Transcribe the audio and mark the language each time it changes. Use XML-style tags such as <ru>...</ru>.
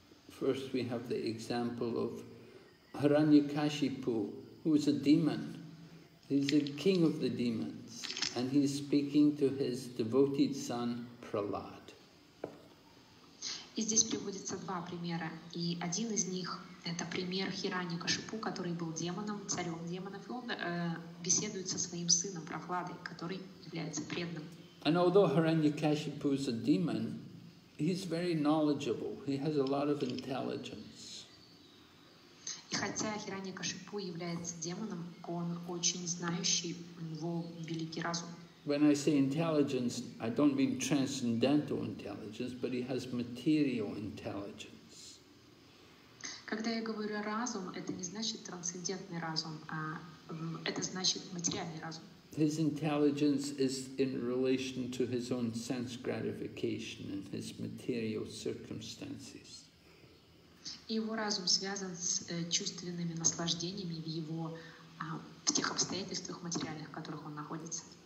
<en>First, we have the example of Hiranyakashipu, who is a demon. He's the king of the demons, and he's speaking to his devoted son Prahlad.</en> <ru>И здесь приводятся два примера, и один из них – это пример Хираньякашипу, который был демоном, царем демонов, и он беседует со своим сыном Прохладой, который является преданным.</ru> <en>And although Hiranyakashipu is a demon, he's very knowledgeable, he has a lot of intelligence.</en> <ru>И хотя Хираньякашипу является демоном, он очень знающий, у него великий разум.</ru> <en>When I say intelligence, I don't mean transcendental intelligence, but he has material intelligence.</en> <ru>Когда я говорю разум, это не значит трансцендентный разум, а это значит материальный разум.</ru> <en>His intelligence is in relation to his own sense gratification and his material circumstances.</en> <ru>Его разум связан с чувственными наслаждениями в его в тех обстоятельствах материальных, в которых он находится.</ru>